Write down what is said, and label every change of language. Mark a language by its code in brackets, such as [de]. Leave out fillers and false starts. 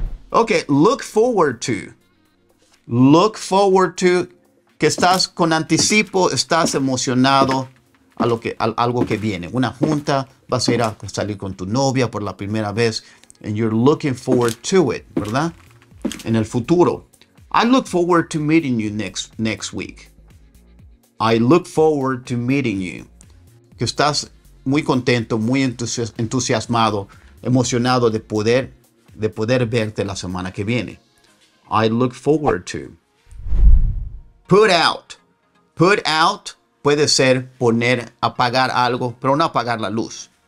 [en] Ok, look forward to. Look forward to. [es] Que estás con anticipo, estás emocionado a algo que viene. Una junta, vas a ir a salir con tu novia por la primera vez. [en] And you're looking forward to it, [es] ¿verdad? En el futuro. [en] I look forward to meeting you next week. I look forward to meeting you. [es] Que estás muy contento, muy entusiasmado, emocionado de poder verte la semana que viene. [en] I look forward to. Put out. [es] Put out puede ser poner, apagar algo, pero no apagar la luz.